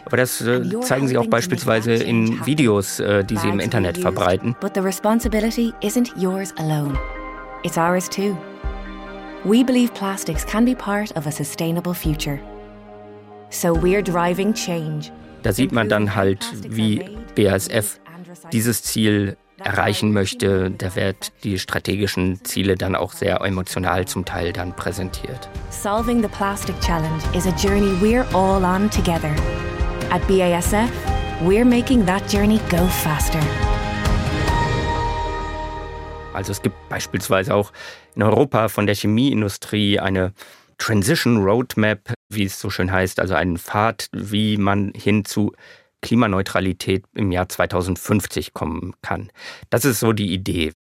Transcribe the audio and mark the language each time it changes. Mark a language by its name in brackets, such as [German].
[German] Aber das zeigen sie auch beispielsweise in Videos, die sie im Internet verbreiten. [English] But the responsibility isn't yours alone. It's ours too. We believe plastics can be part of a sustainable future. So we're driving change. [German] Da sieht man dann halt, wie BASF dieses Ziel erreichen möchte. Da werden die strategischen Ziele dann auch sehr emotional zum Teil dann präsentiert. [English] Solving the plastic challenge is a journey we're all on together. At BASF, we're making that journey go faster. [German] Also es gibt beispielsweise auch in Europa von der Chemieindustrie eine Transition Roadmap, wie es so schön heißt, also einen Pfad, wie man hin zu Klimaneutralität im Jahr 2050 kommen kann. Das ist so die Idee.